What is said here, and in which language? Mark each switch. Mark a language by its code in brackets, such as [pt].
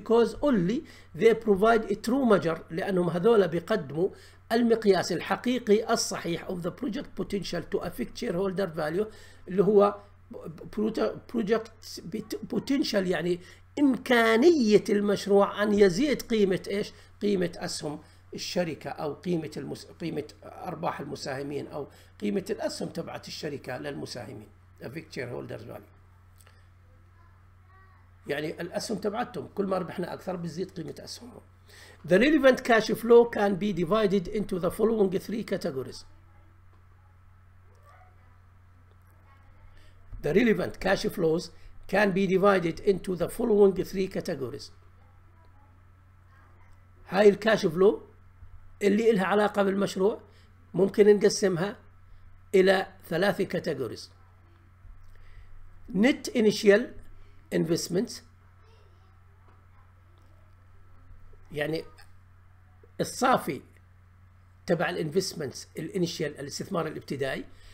[en] Because only they provide a true measure، [ar] لأنهم هذولا بيقدموا المقياس الحقيقي الصحيح [en] of the project potential to affect shareholder value، [ar] اللي هو project potential يعني إمكانية المشروع أن يزيد قيمة إيش؟ قيمة أسهم الشركة أو قيمة قيمة أرباح المساهمين أو قيمة الأسهم تبعت الشركة للمساهمين. [en] Affect shareholders value. [ar] يعني الأسهم تبعتهم كل ما ربحنا أكثر بتزيد قيمة أسهمهم. [en] The relevant cash flow can be divided into the following three categories. The relevant cash flows can be divided into the following three categories. [ar] هاي الكاش فلو اللي إلها علاقة بالمشروع ممكن نقسمها إلى ثلاث categories. [en] Net initial investments، [ar] يعني الصافي تبع الانفستمنتس الانيشيال الاستثمار الابتدائي.